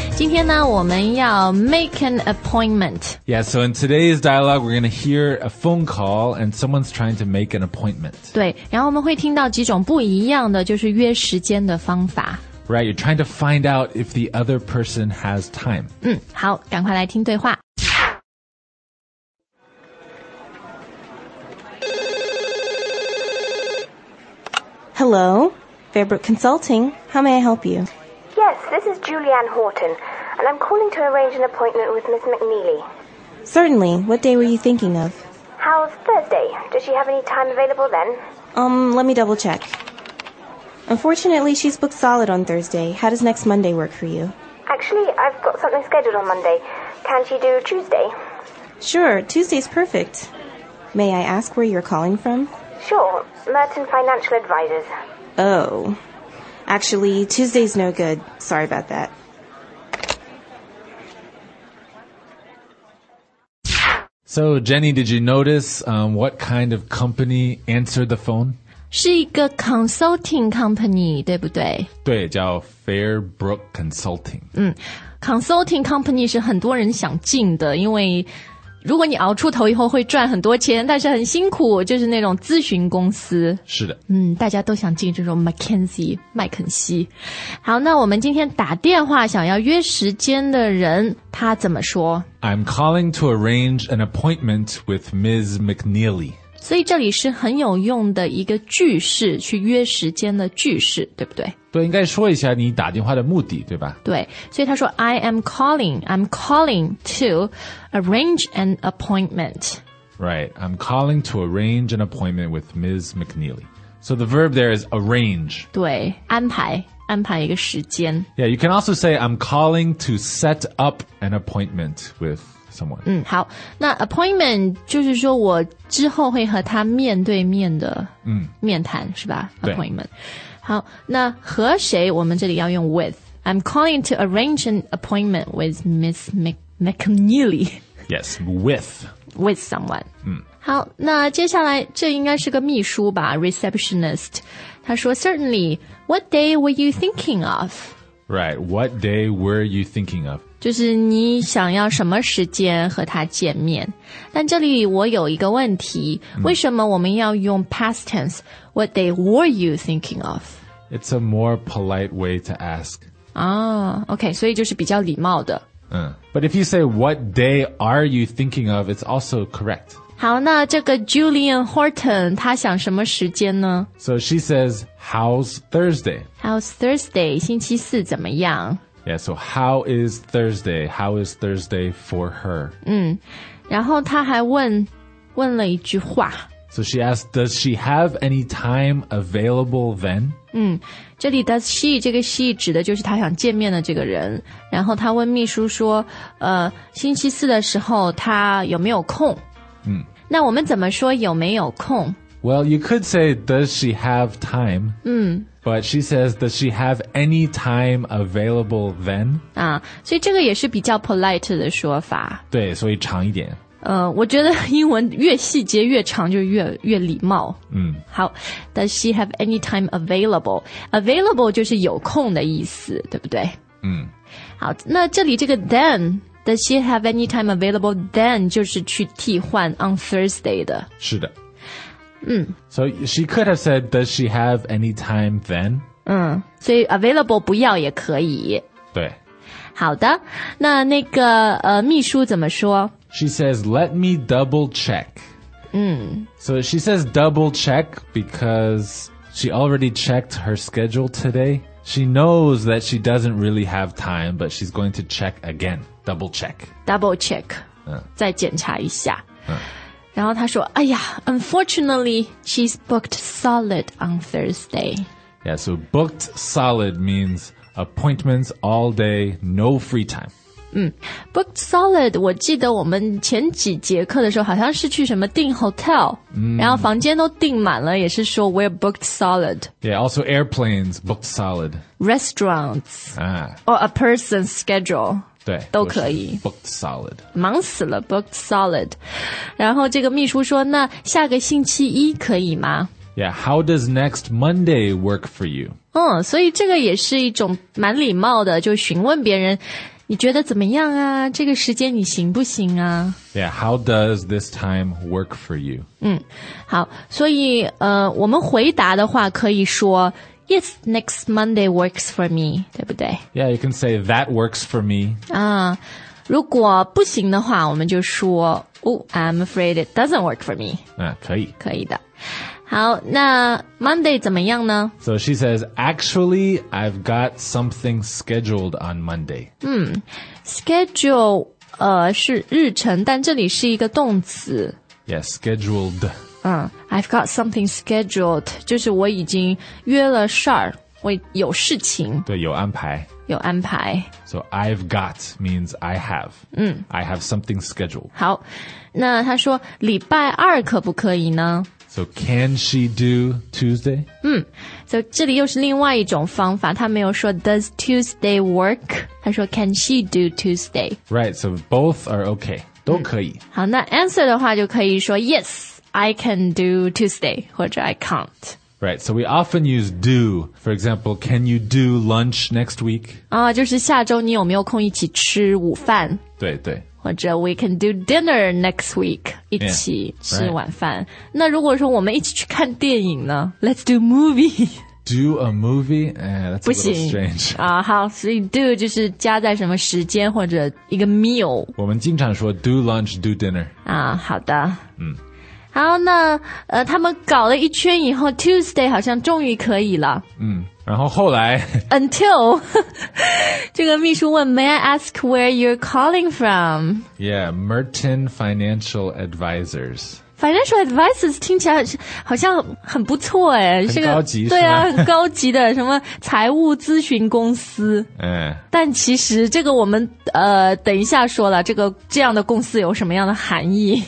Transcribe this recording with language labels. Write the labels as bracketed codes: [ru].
[zh] 今天呢，我们要 [en] make an appointment. Yeah, so in today's dialogue, we're going to hear a phone call and someone's trying to make an appointment. [zh] 对，然后我们会听到几种不一样的就是约时间的方法。 [en] Right, you're trying to find out if the other person has time. [zh] 嗯，好，赶快来听对话。 [en] Hello? Fairbrook Consulting, how may I help you? Yes, this is Julianne Horton, and I'm calling to arrange an appointment with Miss McNeely. Certainly, what day were you thinking of? How's Thursday? Does she have any time available then? Let me double check. Unfortunately, she's booked solid on Thursday. How does next Monday work for you? Actually, I've got something scheduled on Monday. Can she do Tuesday? Sure, Tuesday's perfect. May I ask where you're calling from? Sure, Merton Financial Advisors. Oh. Actually, Tuesday's no good. Sorry about that. So, Jenny, did you notice, what kind of company answered the phone? [zh] 是一个 consulting company, 对不对? 对,叫 Fairbrook Consulting. 嗯, consulting company 是很多人想进的,因为如果你熬出头以后会赚很多钱，但是很辛苦，就是那种咨询公司。是的。嗯，大家都想进这种 McKinsey, 麦肯锡。好，那我们今天打电话想要约时间的人，他怎么说？ [en] I'm calling to arrange an appointment with Ms. McNeely. [zh] 所以这里是很有用的一个句式，去约时间的句式，对不对？对，应该说一下你打电话的目的，对吧？对，所以他说 [en] I'm calling to arrange an appointment. Right, I'm calling to arrange an appointment with Ms. McNeely. So the verb there is arrange. [zh] 对，安排一个时间。 [en] Yeah, you can also say I'm calling to set up an appointment with someone. [zh] 嗯，好，那 appointment 就是说我之后会和他面对面的面谈，是吧？ [en] Appointment. [zh] 好，那和谁我们这里要用 with? [en] I'm calling to arrange an appointment with Miss McNeely. Yes, with. With someone.、 Mm. [zh] 好，那接下来这应该是个秘书吧 ,receptionist. 他说 [en] certainly, what day were you thinking of? Right, what day were you thinking of? [zh] 就是你想要什么时间和他见面。但这里我有一个问题、mm. 为什么我们要用 past tense? [en] What day were you thinking of? It's a more polite way to ask. Ah, okay, [zh] 所以就是比较礼貌的。嗯。 [en] But if you say, what day are you thinking of, it's also correct. [zh] 好，那这个 Julianne Horton, 她想什么时间呢? [en] So she says, how's Thursday? How's Thursday? [zh] 星期四怎么样? [en] Yeah, so how is Thursday? How is Thursday for her? [zh] 嗯。然后她还问了一句话。 [en] So she asked, does she have any time available then? [zh] 嗯，这里 [en] does she, [zh] 这个 she 指的就是她想见面的这个人。然后她问秘书说，星期四的时候她有没有空？嗯，那我们怎么说有没有空？ [en] Well, you could say, does she have time? [zh] 嗯。 [en] But she says, does she have any time available then? [zh] 啊，所以这个也是比较 polite 的说法。对，所以长一点。我觉得英文越细节越长就越礼貌。嗯。好。 [en] Does she have any time available? [zh] Available 就是有空的意思，对不对？嗯。好。那这里这个 [en] then, does she have any time available then? [zh] 就是去替换 on Thursday 的。是的。嗯。 [en] So she could have said, does she have any time then? [zh] 嗯。所以 available 不要也可以。对。好的。那个秘书怎么说？ [en] She says, let me double check. Mm. So she says double check because she already checked her schedule today. She knows that she doesn't really have time, but she's going to check again. Double check. Double check. [zh] 再检查一下。然后她说，哎呀， [en] unfortunately, she's booked solid on Thursday. Yeah, so booked solid means appointments all day, no free time. [zh] 嗯 ,booked solid, 我记得我们前几节课的时候好像是去什么订 hotel,、 mm. 然后房间都订满了也是说 we're booked solid. [en] Yeah, also airplanes booked solid. Restaurants,、 ah. or a person's schedule. [zh] 对，都可以。 [en] Booked solid， [zh] 忙死了 ，booked solid。然后这个秘书说，那下个星期一可以吗？ [en] Yeah, how does next Monday work for you? [zh] 嗯，所以这个也是一种蛮礼貌的，就询问别人，你觉得怎么样啊？这个时间你行不行啊？ [en] Yeah, how does this time work for you? [zh] 嗯，好，所以我们回答的话可以说 [en] Yes, next Monday works for me, [zh] 对不对？ [en] Yeah, you can say that works for me. [zh] 啊，如果不行的话，我们就说 [en] Oh, I'm afraid it doesn't work for me. [zh] 啊，可以。可以的。好，那 Monday 怎么样呢？ [en] So she says, actually, I've got something scheduled on Monday. [zh] 嗯 ,schedule, 是日程，但这里是一个动词。 [en] Yeah, scheduled. [zh] 嗯 , [en] I've got something scheduled, [zh] 就是我已经约了事儿，我有事情。对，有安排。有安排。 [en] So I've got means I have. [zh] 嗯 [en] ,I have something scheduled. [zh] 好，那她说礼拜二可不可以呢？ [en] So can she do Tuesday? [zh] 嗯，所以这里又是另外一种方法，他没有说 [en] does Tuesday work? [zh] 他说 [en] can she do Tuesday? Right, so both are okay, [zh] 都可以。好，那 answer 的话就可以说 [en] yes, I can do Tuesday, [zh] 或者 [en] I can't. Right, so we often use do, for example, can you do lunch next week? [zh] 啊，就是下周你有没有空一起吃午饭？对对。或者 [en] we can do dinner next week, [zh] 一起吃晚饭。 [en] Yeah, right. [zh] 那如果说我们一起去看电影呢? [en] Let's do movie. Do a movie? That's a little strange. [zh] 好，所以 do 就是加在什么时间或者一个 meal。我们经常说 [en] do lunch, do dinner. [zh] 好的。嗯。好，那他们搞了一圈以后 ,Tuesday 好像终于可以了。嗯。然后后来 [en] Until [zh] 这个秘书问 [en] May I ask where you're calling from? Yeah, Merton Financial Advisors. [zh] Financial Advisors 听起来好像很不错耶，很高级，对啊，很高级的什么财务咨询公司。嗯，但其实这个我们等一下说了，这个这样的公司有什么样的含义。